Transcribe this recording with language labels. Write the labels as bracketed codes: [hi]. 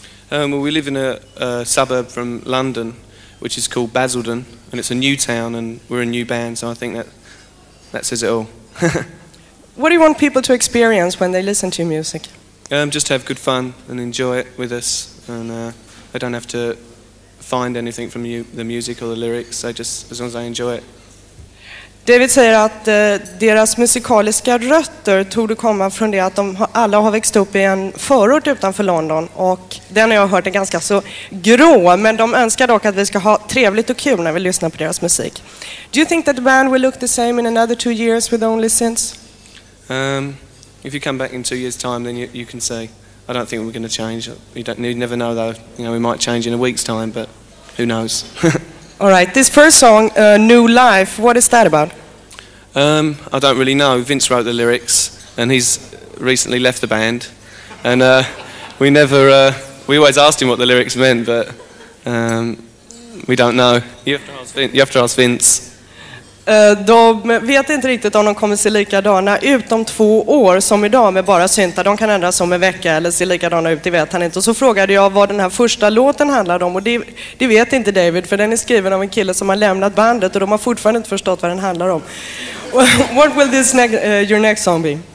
[en] Well, we live in a suburb from London, which is called Basildon, and it's a new town, and we're a new band, so I think that says it all. What do you want people to experience when they listen to your music? Just have good fun and enjoy it with us, and they don't have to find anything from the music or the lyrics, as long as they enjoy it. [sv] David säger att deras musikaliska rötter tog det komma från det att de alla har växt upp i en förort utanför London, och den har jag hört är ganska så grå, men de önskar dock att vi ska ha trevligt och kul när vi lyssnar på deras musik. [en] Do you think that the band will look the same in another 2 years with only synths? If you come back in 2 years time, then you can say, I don't think we're going to change. You never know though, you know, we might change in a week's time, but who knows. All right, this first song, New Life, what is that about? I don't really know. Vince wrote the lyrics, and he's recently left the band. And we always asked him what the lyrics meant, but we don't know. You have to ask Vince. [sv] De vet inte riktigt om de kommer se likadana ut om 2 år som idag med bara synta. De kan ändras om en vecka eller se likadana ut, det vet han inte. Och så frågade jag vad den här första låten handlade om, och det vet inte David, för den är skriven av en kille som har lämnat bandet, och de har fortfarande inte förstått vad den handlar om. [en] What will this your next song be?